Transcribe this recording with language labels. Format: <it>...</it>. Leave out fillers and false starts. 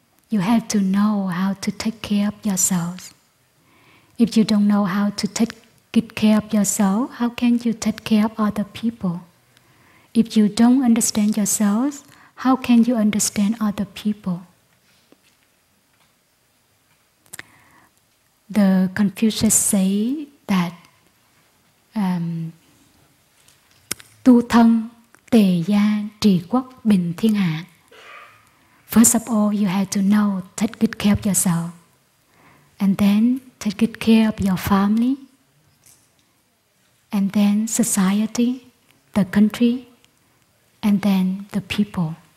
<en>You have to know how to take care of yourselves. If you don't know how to take good care of yourself, how can you take care of other people? If you don't understand yourselves, how can you understand other people? The Confucius say that</en> <vi>Tu thân tề gia trì quốc bình thiên hạ.</vi> <en>First of all, you have to know, take good care of yourself. And then take good care of your family. And then society, the country, and then the people.</en>